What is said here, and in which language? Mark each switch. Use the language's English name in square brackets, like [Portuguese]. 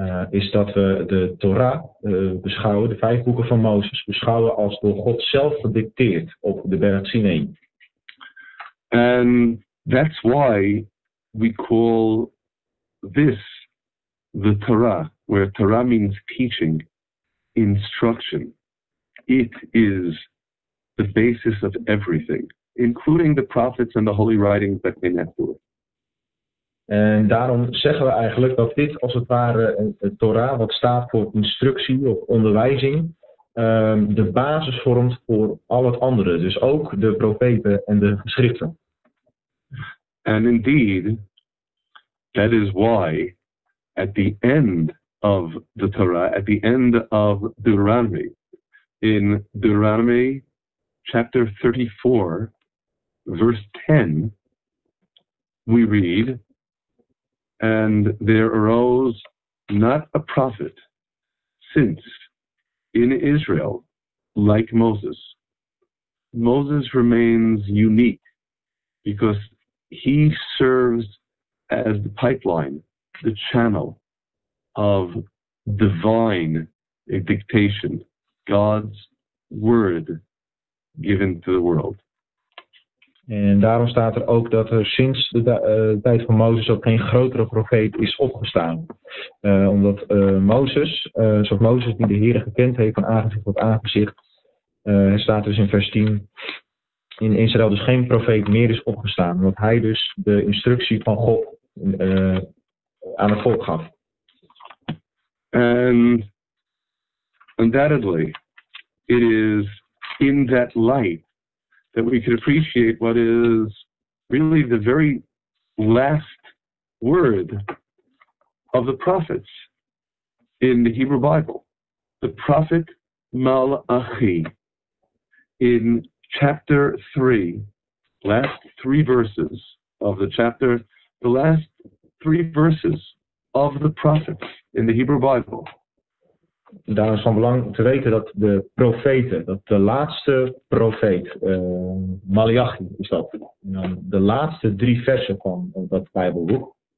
[Dutch] Is dat we de Torah beschouwen, de vijf boeken van Mozes, beschouwen als door God zelf gedicteerd op de berg Sinai. [English] And that's why we call this the Torah, where Torah means teaching, instruction. It is the basis of everything, including the prophets and the holy writings that came afterward. [Dutch] En daarom zeggen we eigenlijk dat dit als het ware het Torah, wat staat voor instructie of onderwijzing, de basis vormt voor al het andere. Dus ook de profeten en de geschriften. [English] And indeed, that is why at the end of the Torah, at the end of Deuteronomy, in Deuteronomy chapter 34, verse 10, we read, and there arose not a prophet since in Israel like Moses. Moses remains unique because he serves as the pipeline, the channel of divine dictation, God's word given to the world. [Dutch] En daarom staat er ook dat er sinds de tijd van Mozes ook geen grotere profeet is opgestaan. Omdat Mozes, zoals Mozes die de Heer gekend heeft van aangezicht tot aangezicht, staat dus in vers 10, in Israël dus geen profeet meer is opgestaan. Omdat hij dus de instructie van God aan het volk gaf. [English] And undoubtedly, it is in that light that we can appreciate what is really the very last word of the prophets in the Hebrew Bible. The prophet Malachi, in chapter 3, last three verses of the chapter, the last three verses of the prophets in the Hebrew Bible. [Dutch] Daar is van belang te weten dat de profeten, dat de laatste profeet, Malachi is dat, de laatste drie versen van dat Bijbelboek.